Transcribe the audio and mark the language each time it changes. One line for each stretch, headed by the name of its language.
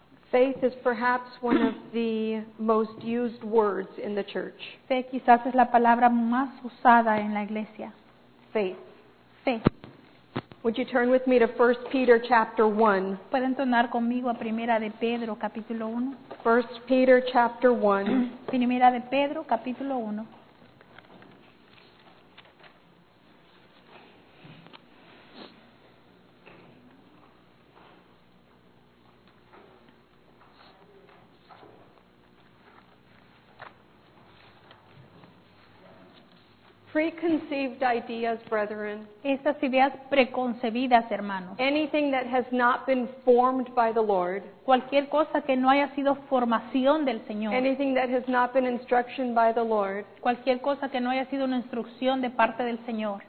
English: Faith is perhaps one of the most used words in the church.
Spanish: Fe quizás es la palabra más usada en la iglesia.
English: Faith.
Spanish: Fe.
English: Would you turn with me to 1 Peter chapter 1?
Spanish: ¿Pueden tornar conmigo a Primera de Pedro capítulo 1?
English: 1 Peter chapter 1.
Spanish: Primera de Pedro capítulo 1.
English: Preconceived ideas, brethren.
Spanish: Estas ideas preconcebidas, hermanos.
English: Anything that has not been formed by the Lord.
Spanish: Cualquier cosa que no haya sido formación del Señor.
English: Anything that has not been instruction by the Lord.
Spanish: Cualquier cosa que no haya sido una instrucción de parte del Señor.